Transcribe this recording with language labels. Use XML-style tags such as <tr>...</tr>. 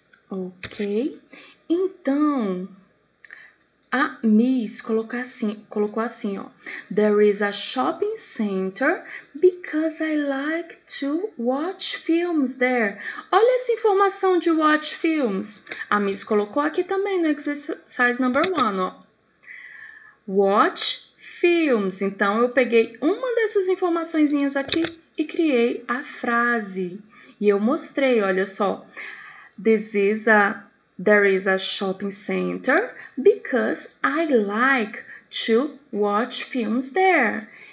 <pt>Ok, então a Miss colocou assim, ó.</pt> <en>There is a shopping center because I like to watch films there.</en> <pt>Olha essa informação de</pt> <en>watch films.</en> <pt>A Miss colocou aqui também no</pt> <en>exercise number one,</en> <pt>ó.</pt> <en>Watch films.</en> <pt>Então, eu peguei uma dessas informaçõezinhas aqui e criei a frase. E eu mostrei, olha só.</pt> <en>There is a shopping center because I like to watch films there.</en>